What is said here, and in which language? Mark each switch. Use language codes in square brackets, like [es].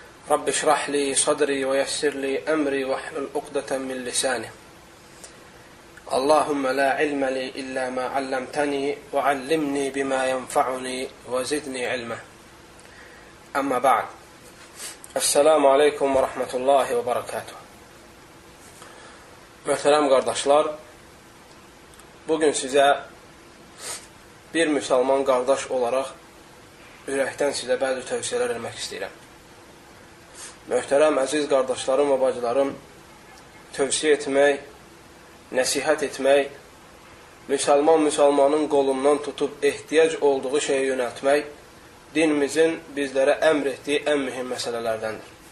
[ar] رب اشرح لي صدري ويسر لي أمري واحلل عقدة من لساني. اللهم لا علم لي إلا ما علمتني وعلمني بما ينفعني وزدني علما. أما بعد، السلام عليكم ورحمة الله وبركاته. [tr] Möhterem kardeşler, bugün size bir Müslüman kardeş olarak yürekten size bazı tavsiyeler vermek istiyorum. Möhterem aziz kardeşlerim ve bacılarım, tavsiye etmeyi, [az] nəsihət etmək, müsəlman müsəlmanın qolundan tutub ehtiyac olduğu şeyə yönəltmək dinimizin bizlərə əmr etdiyi ən mühim məsələlərdəndir.